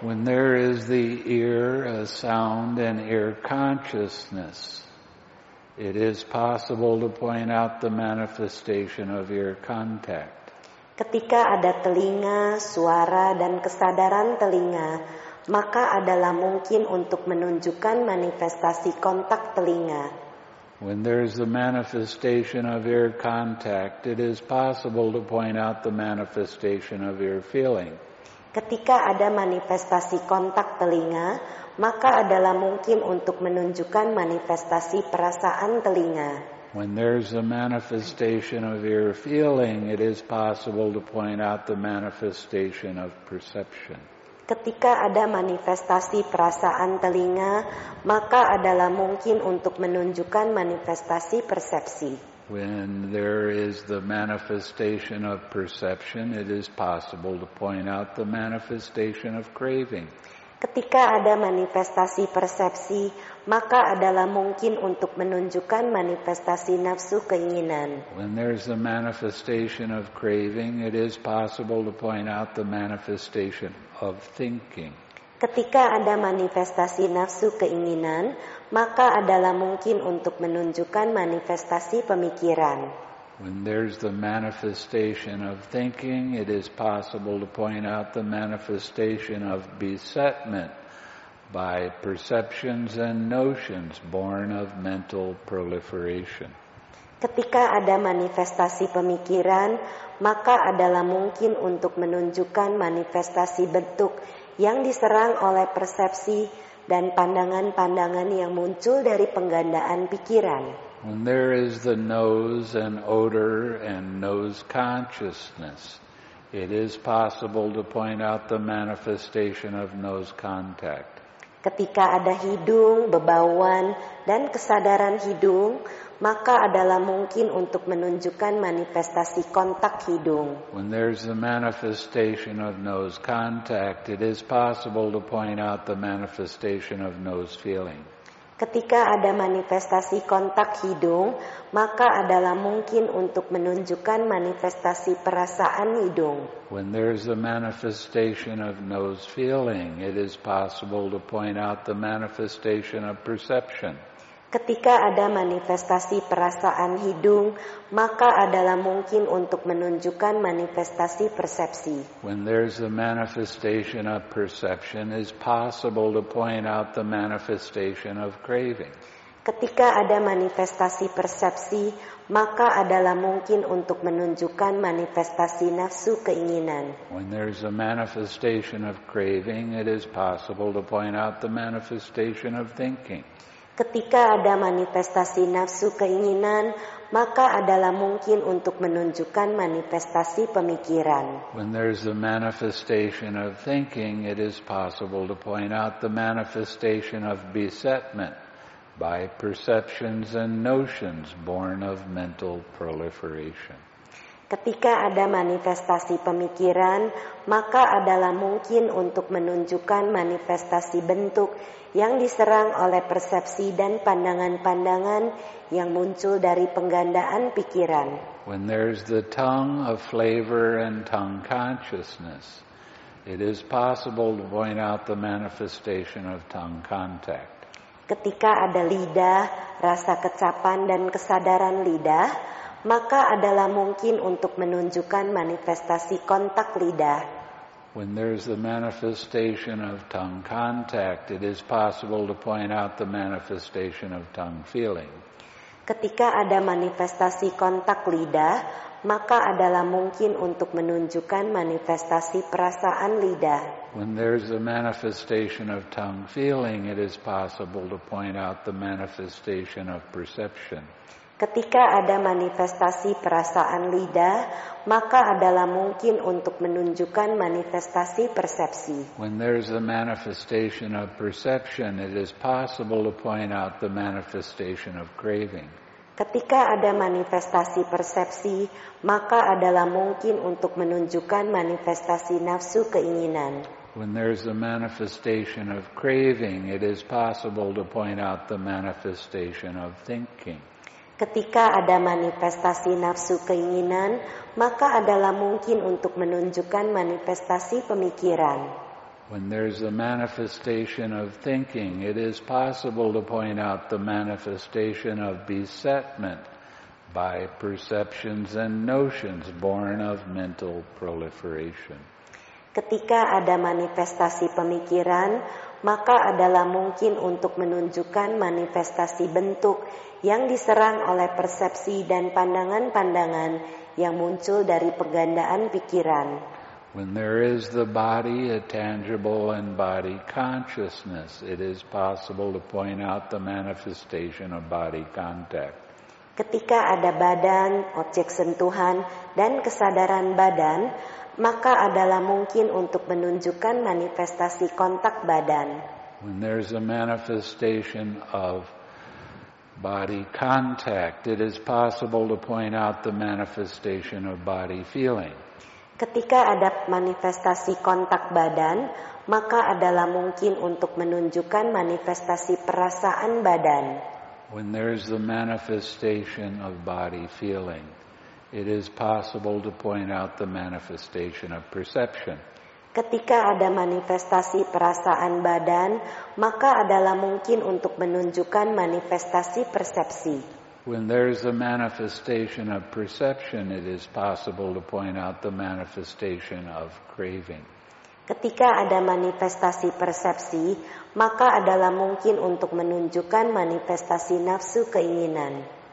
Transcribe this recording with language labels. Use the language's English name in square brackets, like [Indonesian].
[English] When there is the ear, a sound and ear consciousness, it is possible to point out the manifestation of ear contact. [Indonesian] Ketika ada telinga, suara, dan kesadaran telinga, maka adalah mungkin untuk menunjukkan manifestasi kontak telinga. [English] When there is the manifestation of ear contact, it is possible to point out the manifestation of ear feeling. [Indonesian] Ketika ada manifestasi kontak telinga, maka adalah mungkin untuk menunjukkan manifestasi perasaan telinga. [English] When there's a manifestation of ear feeling, it is possible to point out the manifestation of perception. [Indonesian] Ketika ada manifestasi perasaan telinga, maka adalah mungkin untuk menunjukkan manifestasi persepsi. [English] When there is the manifestation of perception, it is possible to point out the manifestation of craving. [Indonesian] Ketika ada manifestasi persepsi, maka adalah mungkin untuk menunjukkan manifestasi nafsu keinginan. [English] When there is a manifestation of craving, it is possible to point out the manifestation of thinking. [Indonesian] Ketika ada manifestasi nafsu keinginan, maka adalah mungkin untuk menunjukkan manifestasi pemikiran. [English] When there's the manifestation of thinking, it is possible to point out the manifestation of besetment by perceptions and notions born of mental proliferation. [Indonesian] Ketika ada manifestasi pemikiran, maka adalah mungkin untuk menunjukkan manifestasi bentuk yang diserang oleh persepsi dan pandangan-pandangan yang muncul dari penggandaan pikiran. [English] When there is the nose and odor and nose consciousness, it is possible to point out the manifestation of nose contact. [Indonesian] Ketika ada hidung, bebauan, dan kesadaran hidung, maka adalah mungkin untuk menunjukkan manifestasi kontak hidung. [English] When there is the manifestation of nose contact, it is possible to point out the manifestation of nose feeling. [Indonesian] Ketika ada manifestasi kontak hidung, maka adalah mungkin untuk menunjukkan manifestasi perasaan hidung. [English] When there is a manifestation of nose feeling, it is possible to point out the manifestation of perception. [Indonesian] Ketika ada manifestasi perasaan hidung, maka adalah mungkin untuk menunjukkan manifestasi persepsi. [English] When there's a manifestation of perception, it's possible to point out the manifestation of craving. [Indonesian] Ketika ada manifestasi persepsi, maka adalah mungkin untuk menunjukkan manifestasi nafsu keinginan. [English] When there's a manifestation of craving, it is possible to point out the manifestation of thinking. [Indonesian] Ketika ada manifestasi nafsu keinginan, maka adalah mungkin untuk menunjukkan manifestasi pemikiran. [English] When there is a manifestation of thinking, it is possible to point out the manifestation of besetment by perceptions and notions born of mental proliferation. [Indonesian] Ketika ada manifestasi pemikiran, maka adalah mungkin untuk menunjukkan manifestasi bentuk yang diserang oleh persepsi dan pandangan-pandangan yang muncul dari penggandaan pikiran. [English] When there's the tongue of flavor and tongue consciousness, it is possible to point out the manifestation of tongue contact. [Indonesian] Ketika ada lidah, rasa kecapan dan kesadaran lidah, maka adalah mungkin untuk menunjukkan manifestasi kontak lidah. [English] When there is the manifestation of tongue contact, it is possible to point out the manifestation of tongue feeling. [Indonesian] Ketika ada manifestasi kontak lidah, maka adalah mungkin untuk menunjukkan manifestasi perasaan lidah. [English] When there's a manifestation of tongue feeling, it is possible to point out the manifestation of perception. [Indonesian] Ketika ada manifestasi perasaan lidah, maka adalah mungkin untuk menunjukkan manifestasi persepsi. [English] When there's a manifestation of perception, it is possible to point out the manifestation of craving. [Indonesian] Ketika ada manifestasi persepsi, maka adalah mungkin untuk menunjukkan manifestasi nafsu keinginan. [English] When there's a manifestation of craving, it is possible to point out the manifestation of thinking. [Indonesian] Ketika ada manifestasi nafsu keinginan, maka adalah mungkin untuk menunjukkan manifestasi pemikiran. [English] When there's a manifestation of thinking, it is possible to point out the manifestation of besetment by perceptions and notions born of mental proliferation. [Indonesian] Ketika ada manifestasi pemikiran, maka adalah mungkin untuk menunjukkan manifestasi bentuk yang diserang oleh persepsi dan pandangan-pandangan yang muncul dari penggandaan pikiran. [English] When there is the body, a tangible and body consciousness, it is possible to point out the manifestation of body contact. [Indonesian] Ketika ada badan, objek sentuhan, dan kesadaran badan, maka adalah mungkin untuk menunjukkan manifestasi kontak badan. [English] When there is a manifestation of body contact, it is possible to point out the manifestation of body feeling. [Indonesian] Ketika ada manifestasi kontak badan, maka adalah mungkin untuk menunjukkan manifestasi perasaan badan. [English] When there is the manifestation of body feeling, it is possible to point out the manifestation of perception. [Indonesian] Ketika ada manifestasi perasaan badan, maka adalah mungkin untuk menunjukkan manifestasi persepsi. [English] When there is a manifestation of perception, it is possible to point out the manifestation of craving. [Indonesian] Ketika ada manifestasi persepsi, maka adalah mungkin untuk menunjukkan manifestasi nafsu keinginan.